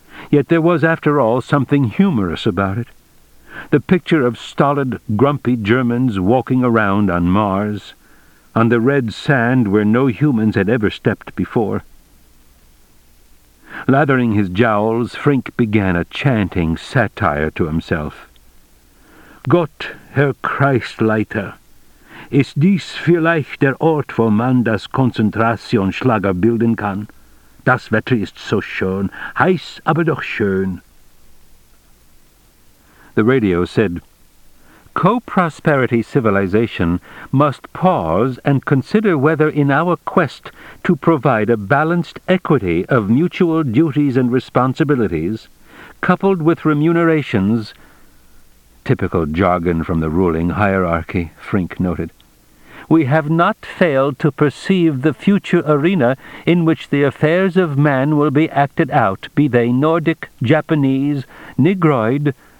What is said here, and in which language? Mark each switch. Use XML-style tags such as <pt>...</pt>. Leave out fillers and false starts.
<en>Yet there was, after all, something humorous about it. The picture of stolid, grumpy Germans walking around on Mars, on the red sand where no humans had ever stepped before. Lathering his jowls, Frink began a chanting satire to himself.</en> <de>"Gott, Herr Christleiter, ist dies vielleicht der Ort, wo man das Konzentrationsschlager bilden kann? Das Wetter ist so schön, heiß aber doch schön."</de> <en>The radio said, "Co-prosperity civilization must pause and consider whether in our quest to provide a balanced equity of mutual duties and responsibilities, coupled with remunerations," typical jargon from the ruling hierarchy, Frink noted, "we have not failed to perceive the future arena in which the affairs of man will be acted out, be they Nordic, Japanese, Negroid."</en>